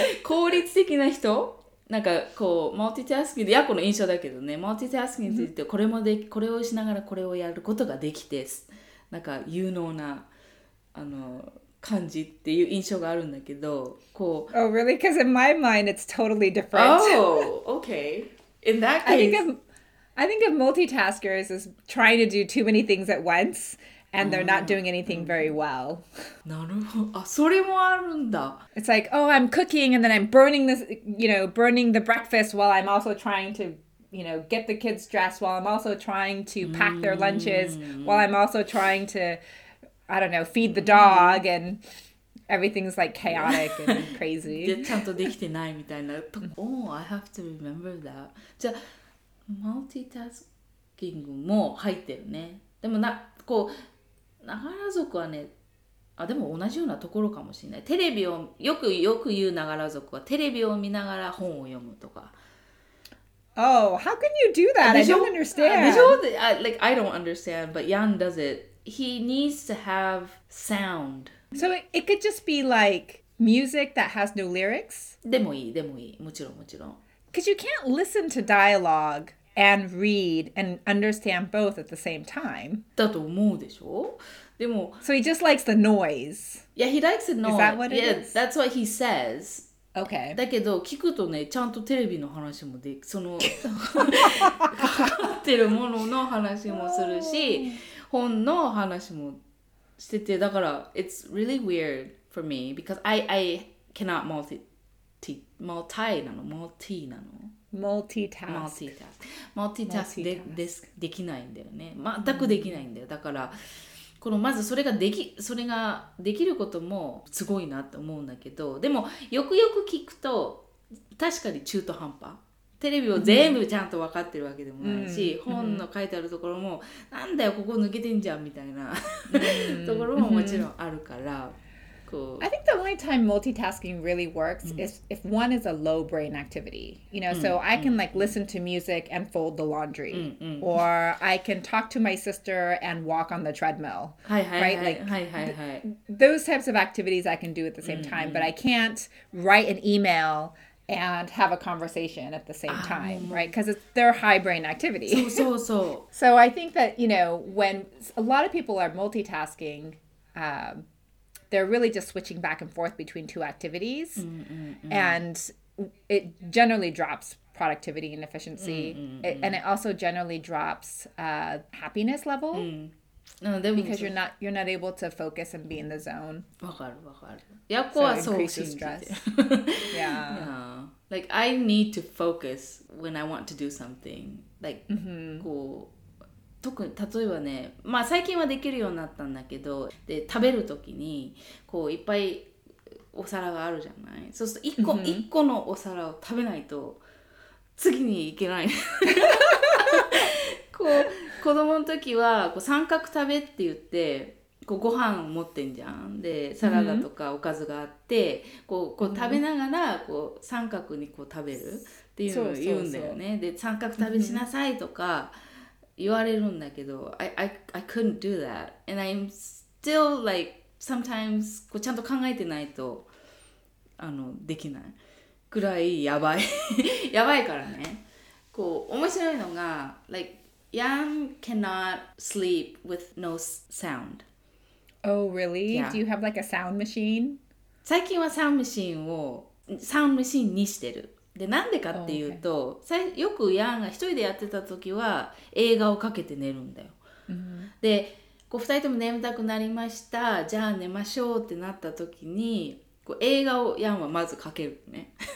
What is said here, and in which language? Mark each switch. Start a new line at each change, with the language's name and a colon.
Japanese: 効率的な人？なんかこう、multitasking、ヤコの印象だけどね、multitasking って言って、これもでき、これをしながらこれをやることができて、なんか有能なあの感じっていう印象があるんだけど、こう。
English: Oh, really? Because in my mind, it's totally different. Oh, okay. In that case, I think of multitaskers as trying to do too many things at once, and they're not doing anything very well.
Japanese: なるほど。あ、それもあるんだ。
English: It's like, oh, I'm cooking, and then I'm burning this, you know, burning the breakfast while I'm also trying to. You know, get the kids dressed while I'm also trying to pack their lunches, while I'm also trying to, I don't know, feed the dog, and everything's like chaotic and crazy.
Japanese: ちゃんとできてないみたいな。
English: Oh, I have to remember that.
Japanese: じゃあ、multitasking も入ってるね。でもな、こう、ながら族はね、あ、でも同じようなところかもしれない。テレビを、よく言うながら族は、テレビを見ながら本を読むとか。
English: Oh, how can you do that? I don't understand. Like, I don't understand, but Jan does it. He needs to have sound. So it could just be like music that has no lyrics?
Japanese: でもいい。もちろん、もちろん。
English: Because you can't listen to dialogue and read and understand both at the same time.
Japanese: だと思うでしょ？でも。
English: So he just likes the noise. Yeah, he likes the noise. Is that what it is? That's what he says. Okay.
Japanese: だけど聞くとね、ちゃんとテレビの話もでき、その書かれてるものの話もするし、本の話もしてて、だから it's really weird for me because I cannot multitask できないんだよね。全くできないんだよ。だからこのまずそれができることもすごいなと思うんだけど、でもよくよく聞くと確かに中途半端。テレビを全部ちゃんと分かってるわけでもないし、本の書いてあるところもなんだよここ抜けてんじゃんみたいなところももちろんあるから、こう。
English: I think the only time multitasking really works is if one is a low brain activity. You know, so I can like listen to music and fold the laundry. Or I can talk to my sister and walk on the treadmill. Right? Those types of activities I can do at the same time, but I can't write an email and have a conversation at the same time, right? Because they're high brain activity. So. So I think that, you know, when a lot of people are multitasking, they're really just switching back and forth between two activities. And it generally drops productivity and efficiency. And it also generally drops happiness level. Because you're not able to focus and be in the zone.
Japanese: わかる。
English: So it increases stress. Yeah. Like, I need to focus when I want to do something. Like, こう。
Japanese: 例えばね、まあ最近はできるようになったんだけど、で食べるときにこういっぱいお皿があるじゃない。そうすると一個のお皿を食べないと次に行けない。こう子供の時はこう三角食べって言ってこうご飯を持ってんじゃん。でサラダとかおかずがあって、うん、こう食べながらこう三角にこう食べるっていうのを言うんだよね。そうそうそう。で三角食べしなさいとか言われるんだけど、 I couldn't do that. And I'm still like sometimes こうちゃんと考えてないとできないくらいやばい。やばいからね。
English: こう面白いのが、 like, Yam cannot sleep with no sound. Oh, really? Yeah. Do you have like a sound machine?
Japanese: 最近はサウンドマシンをサウンドマシンにしてる。で、なんでかっていうと、よくヤンが一人でやってた時は映画をかけて寝るんだよ。 Mm-hmm. で、こう二人とも眠たくなりました。じゃあ寝ましょうってなった時に、こう映画をヤンはまずかけるね。